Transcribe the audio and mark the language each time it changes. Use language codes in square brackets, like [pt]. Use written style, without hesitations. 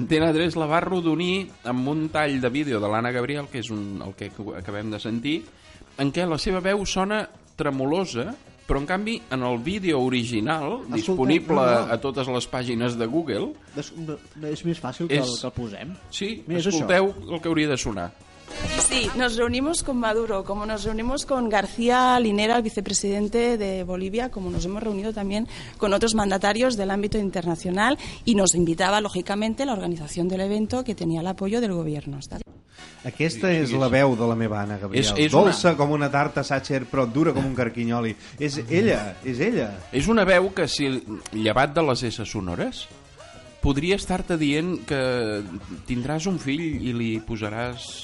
[ca] Antena 3 la va arrodonir amb un tall de vídeo de l'Anna Gabriel, que és el que acabem de sentir, en què la seva veu sona tremolosa, però en canvi en el vídeo original disponible a totes les pàgines de Google és més fàcil que el posem. Sí, escolteu el que hauria de sonar. [es] Sí, nos reunimos con Maduro, como nos reunimos con García Linera, el vicepresidente de Bolivia, como nos hemos reunido también con otros mandatarios del ámbito internacional, y nos invitaba, lógicamente, la organización del evento que tenía el apoyo del gobierno. [ca] Aquesta és la veu de la meva Anna Gabriel. És dolça com una tarta Sacher, però dura com un carquinyoli. És ella. És una veu que, si llevat de les esses sonores... Podria estar-te dient que tindràs un fill i li posaràs